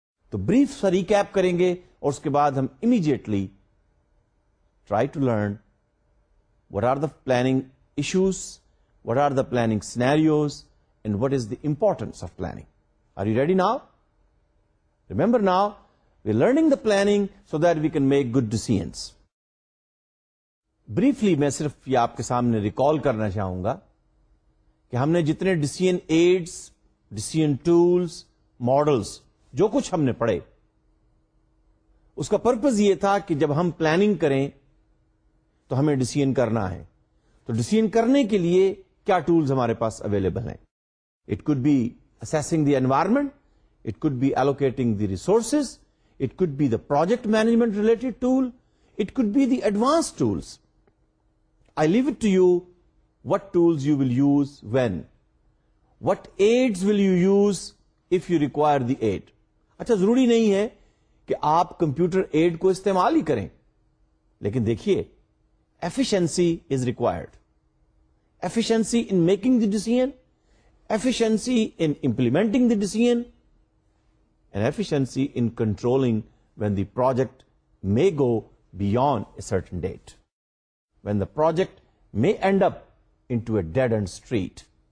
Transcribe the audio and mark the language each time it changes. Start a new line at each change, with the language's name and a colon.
Urdu: To brief sa recap karenge aur uske baad hum
English: immediately try to learn what are the planning issues, what are the planning scenarios, and what is the importance of planning. Are you ready now? Remember now, we're learning the planning so that we can make good decisions.
Urdu: Briefly میں صرف یہ آپ کے سامنے recall کرنا چاہوں گا کہ ہم نے جتنے decision AIDS, decision tools, models جو کچھ ہم نے پڑھے, اس کا پرپز یہ تھا کہ جب ہم پلاننگ کریں تو ہمیں ڈسیزن کرنا ہے, تو ڈسیزن کرنے کے لیے کیا ٹولز ہمارے پاس اویلیبل ہیں.
English: It could be assessing the environment, it could be allocating the resources, it could be the project management related tool, it could be the advanced tools. I leave it to you what tools you will use when. What aids will you use if you require the aid.
Urdu: اچھا ضروری نہیں ہے کہ آپ computer add کو استعمال ہی کریں, لیکن دیکھیے
English: efficiency is required. Efficiency in making the decision, efficiency in implementing the decision, and efficiency in controlling when the project may go beyond a certain date, when the project may end up into a dead-end street.